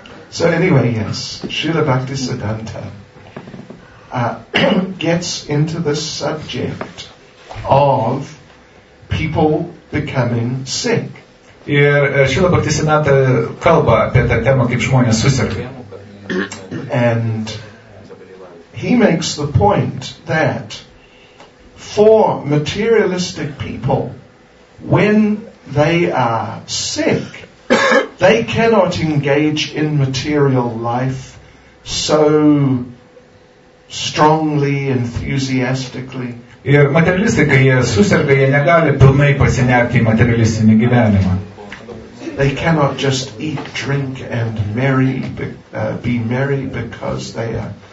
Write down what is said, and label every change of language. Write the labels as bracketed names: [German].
[English] So anyway, yes, Srila Bhaktisiddhanta gets into the subject of people becoming sick. [Lithuanian] Ir Srila Bhaktisiddhanta kalba apie tą temą, kaip žmonės susirgė. [English] And he makes the point that for materialistic people, when they are sick, they cannot engage in material life so strongly, enthusiastically. [Lithuanian] Ir materialistai, kai jie susirga, jie negali pilnai pasinerti į materialistinį gyvenimą. [English] They cannot just eat, drink and merry, be merry because they are